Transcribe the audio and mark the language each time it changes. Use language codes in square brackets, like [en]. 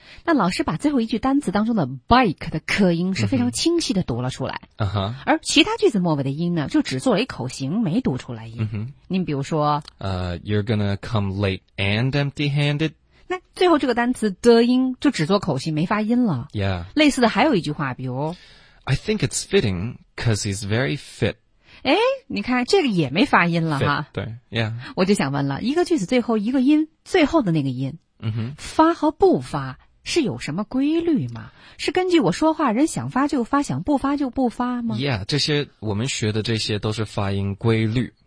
[zh] 那老师把最后一句单词当中的 bike 的克音是非常清晰的读了出来。而其他句子末尾的音呢，就只做了一口型，没读出来音。您比如说， [en] You're gonna come late and empty-handed。 [zh] 最后这个单词的音就只做口型没发音了。 [en] Yeah. [zh] 类似的还有一句话比如 [en] I think it's fitting because he's very fit. [zh] 诶你看这个也没发音了哈。 [en] Fit, [zh] 对 [en] ,yeah. [zh] 我就想问了一个句子最后一个音最后的那个音发和不发是有什么规律吗？是根据我说话，人想发就发，想不发就不发吗？ Yeah, 这些我们学的这些都是发音规律。